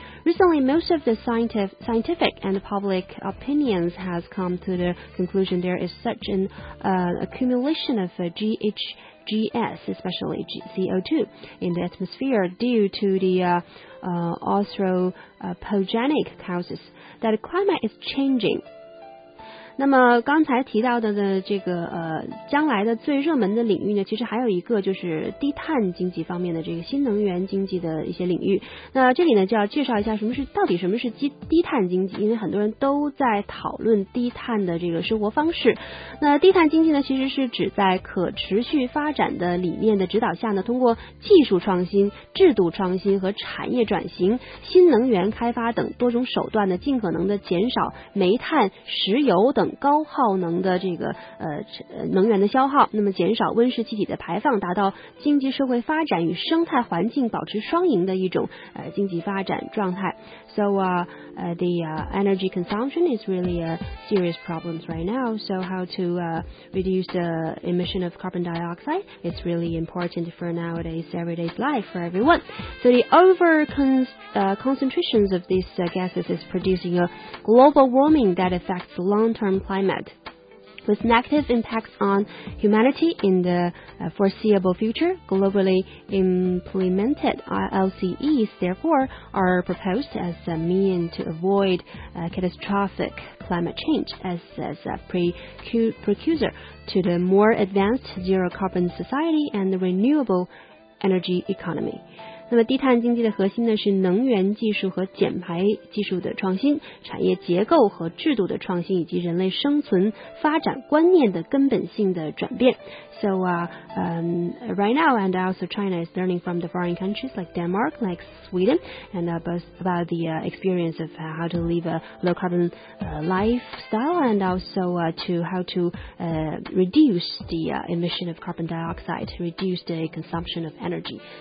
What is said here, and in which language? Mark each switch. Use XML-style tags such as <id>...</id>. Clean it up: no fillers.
<en>Recently, most of the scientific and public opinions has come to the conclusion there is such an accumulation of GHGs, especially CO2, in the atmosphere due to the anthropogenic causes, that the climate is changing.</en> <zh>那么刚才提到的呢，这个将来的最热门的领域呢，其实还有一个就是低碳经济方面的这个新能源经济的一些领域。那这里呢就要介绍一下到底什么是低碳经济，因为很多人都在讨论低碳的这个生活方式。那低碳经济呢，其实是指在可持续发展的理念的指导下呢，通过技术创新、制度创新和产业转型、新能源开发等多种手段呢，尽可能的减少煤炭、石油等高耗能的这个能源的消耗，那么减少温室气体的排放，达到经济社会发展与生态环境保持双赢的一种经济发展状态。</zh> <en>So the energy consumption is really a serious problem right now. So how to reduce the emission of carbon dioxide is really important for nowadays everyday life for everyone. So the over concentrations of these gases is producing a global warming that affects long-term climate, with negative impacts on humanity in the foreseeable future. Globally implemented LCEs, therefore, are proposed as a mean to avoid catastrophic climate change as a precursor to the more advanced zero carbon society and the renewable energy economy.</en> <zh>那么低碳经济的核心呢，是能源技术和减排技术的创新，产业结构和制度的创新，以及人类生存发展观念的根本性的转变。</zh> <en>So right now, and also China is learning from the foreign countries like Denmark, like Sweden, and about the experience of how to live a low carbon lifestyle and also how to reduce the emission of carbon dioxide, reduce the consumption of energy.</en>